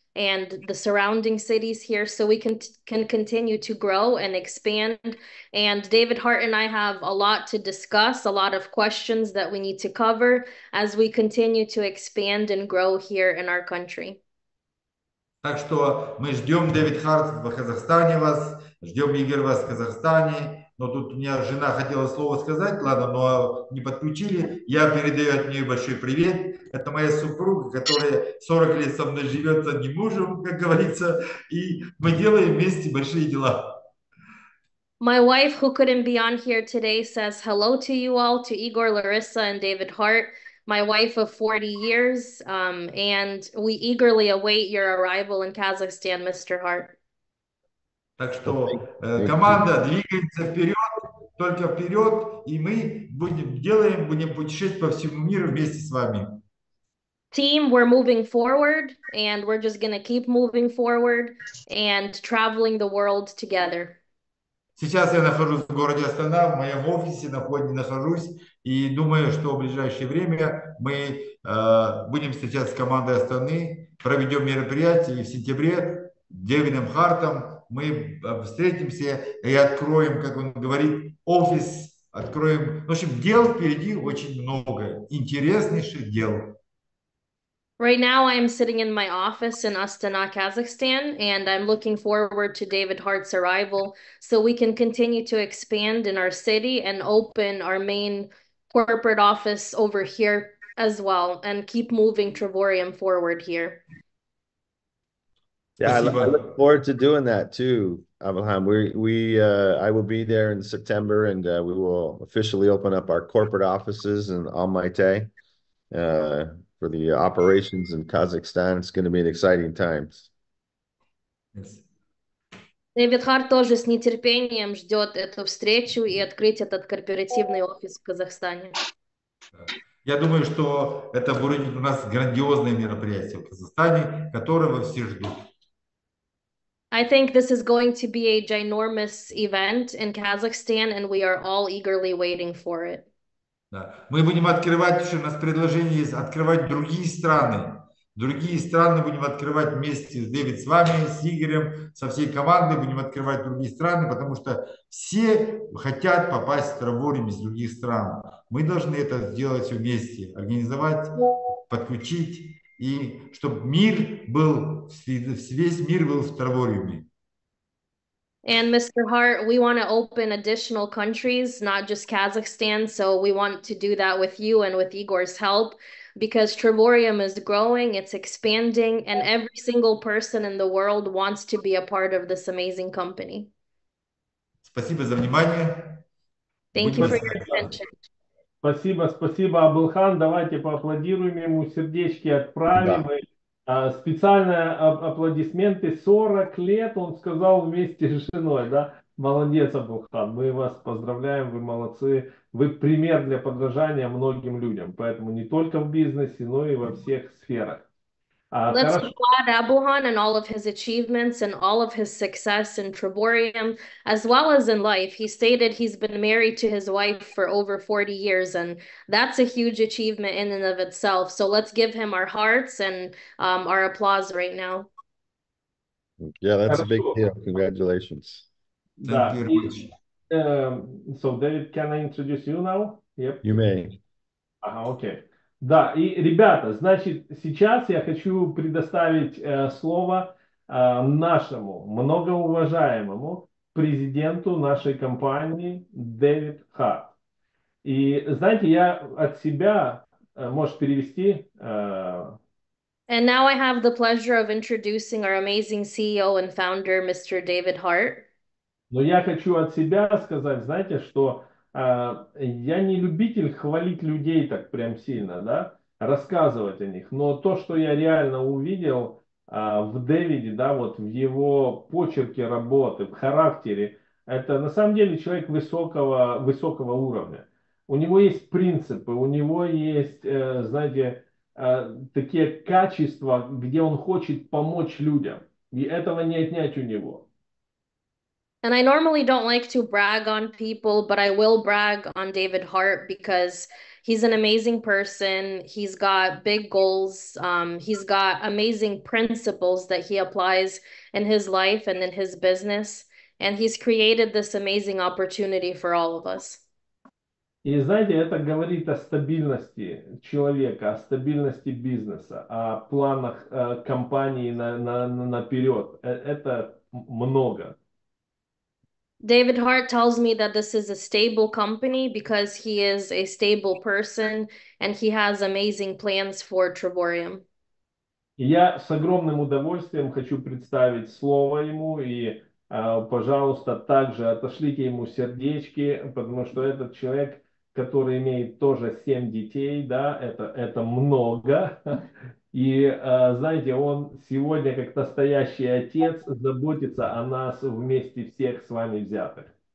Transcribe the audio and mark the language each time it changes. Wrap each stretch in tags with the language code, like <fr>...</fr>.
<en>and the surrounding cities here so we can continue to grow and expand. And David Hart and I have a lot to discuss, a lot of questions that we need to cover as we continue to expand and grow here in our country.</en> <ru>Так что мы ждем Дэвид Харт в Казахстане вас, ждем Егер вас в Казахстане. Но тут у меня жена хотела слово сказать, ладно, но не подключили. Я передаю от нее большой привет. Это моя супруга, которая 40 лет со мной живет, с одним мужем, как говорится, и мы делаем вместе большие дела.</ru> <en>My wife, who couldn't be on here today, says hello to you all, to Igor, Larissa, and David Hart, my wife of 40 years. And we eagerly await your arrival in Kazakhstan, Mr. Hart.</en> <ru>Так что</ru> <en>Thank you.</en> <ru>команда двигается вперед, только вперед, и мы будем путешествовать по всему миру вместе с вами.</ru> <en>Team, we're moving forward, and we're just going to keep moving forward and traveling the world together.</en> <ru>Сейчас я нахожусь в городе Астана, в моем офисе нахожусь, и думаю, что в ближайшее время мы будем встречаться с командой Астаны, проведем мероприятие, и в сентябре Дэвидом Хартом мы встретимся и откроем, как он говорит, офис, откроем. В общем, дел впереди очень много, интереснейших дел.</ru> <en>Right now, I am sitting in my office in Astana, Kazakhstan, and I'm looking forward to David Hart's arrival so we can continue to expand in our city and open our main corporate office over here as well and keep moving Trevorium forward here. Yeah, I look</en> <ru>Спасибо.</ru> <en>forward to doing that too, Abraham. I will be there in September, and we will officially open up our corporate offices in Almaty for the operations in Kazakhstan. It's going to be an exciting times.</en> <ru>Дэвид Харт тоже с нетерпением ждет эту встречу и открыть этот корпоративный офис в Казахстане. Я думаю, что это будет у нас грандиозное мероприятие в Казахстане, которого все ждут.</ru> <en>I think this is going to be a ginormous event in Kazakhstan, and we are all eagerly waiting for it.</en> <ru>Мы будем открывать еще, у нас предложение есть открывать другие страны. Другие страны будем открывать вместе с Дэвид, с вами, с Игорем, со всей командой будем открывать другие страны, потому что все хотят попасть в Траворим из других стран. Мы должны это сделать вместе, организовать, подключить, и чтобы мир был, весь мир был в Травориуме.</ru> <en>And Mr. Hart, we want to open additional countries, not just Kazakhstan. So we want to do that with you and with Igor's help because Trevorium is growing, it's expanding, and every single person in the world wants to be a part of this amazing company.</en> <ru>Спасибо за внимание.</ru> <en>Thank</en> <ru>Будем</ru> <en>you for your</en> <ru>оставаться.</ru> <en>attention.</en> <ru>Спасибо, спасибо, Абылхан. Давайте поаплодируем ему, сердечки отправим. Да. Специальные аплодисменты. 40 лет он сказал вместе с женой, да? Молодец, Абылхан. Мы вас поздравляем, вы молодцы. Вы пример для подражания многим людям. Поэтому не только в бизнесе, но и во всех сферах.</ru> <en>Let's</en> <ru>Хорошо.</ru> <en>applaud Abuhan and all of his achievements and all of his success in Trevorium, as well as in life. He stated he's been married to his wife for over 40 years, and that's a huge achievement in and of itself. So let's give him our hearts and our applause right now. Yeah, that's a big</en> <ru>Хорошо.</ru> <en>deal. Congratulations.</en> <ru>Да,</ru> <en>Thank you</en> <ru>и</ru> <en>so David, can I introduce you now? Yep. very much. Okay.</en> <ru>Да, и ребята, значит, сейчас я хочу предоставить слово нашему многоуважаемому президенту нашей компании Дэвид Харт. И знаете, я от себя, можешь перевести.</ru> <en>And now I have the pleasure of introducing our amazing CEO and founder, Mr. David Hart.</en> <ru>Но я хочу от себя сказать, знаете, что я не любитель хвалить людей так прям сильно, да, рассказывать о них, но то, что я реально увидел в Дэвиде, да, вот в его почерке работы, в характере, это на самом деле человек высокого уровня. У него есть принципы, у него есть, знаете, такие качества, где он хочет помочь людям, и этого не отнять у него.</ru> <en>And I normally don't like to brag on people, but I will brag on David Hart because He's an amazing person. He's got big goals. He's got amazing principles that he applies in his life and in his business. And he's created this amazing opportunity for all of us.</en> <ru>И знаете, это говорит о стабильности человека, о стабильности бизнеса, о планах компании наперед. Это много.</ru> <en>David Hart tells me that this is a stable company because he is a stable person and he has amazing plans for Trevorium.</en> <ru>Я с огромным удовольствием хочу представить слово ему и, пожалуйста, также отошлите ему сердечки, потому что этот человек, который имеет тоже 7 детей, да, это много. И, знаете, он сегодня как настоящий отец заботится о нас вместе всех с вами взятых.</ru>